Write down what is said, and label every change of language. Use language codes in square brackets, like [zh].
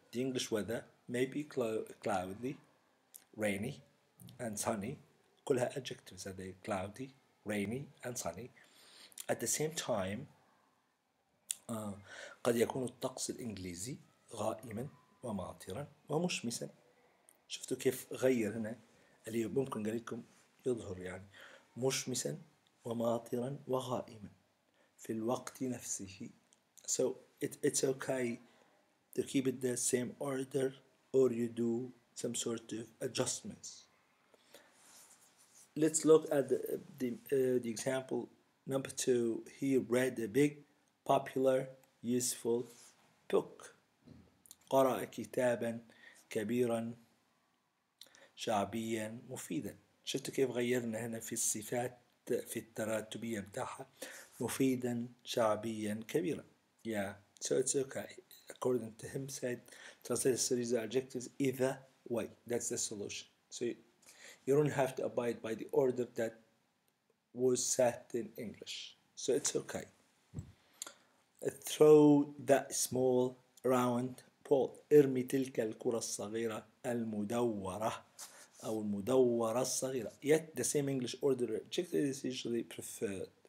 [en] The English weather may be cloudy, rainy and sunny. [ar] كلها [en] adjectives [ar] هذا [en] cloudy, rainy and sunny. At the same time, [ar] قد يكون الطقس الإنجليزي غائما ومعطرا ومشمسا. شفتوا كيف غير هنا اللي ممكن قال لكم يظهر يعني مشمسا وماطرا وغائما في الوقت نفسه. [en] So it's okay to keep it the same order or you do some sort of adjustments. let's look at the example number two. He read a big, popular, useful book. [ar] قرأ كتابا كبيرا شعبيا مفيدا. شفتوا كيف غيرنا هنا في الصفات في التراتبية بتاعها؟ مفيدا شعبيا كبيرا. [en] Yeah, so it's okay. According to him, said translate a series of adjectives either way. That's the solution. So you don't have to abide by the order that was set in English. So it's okay. Throw that small round ball. [ar] ارمي تلك الكرة الصغيرة المدورة أو المدورة الصغيرة. [en] Yet the same English order adjective is usually preferred.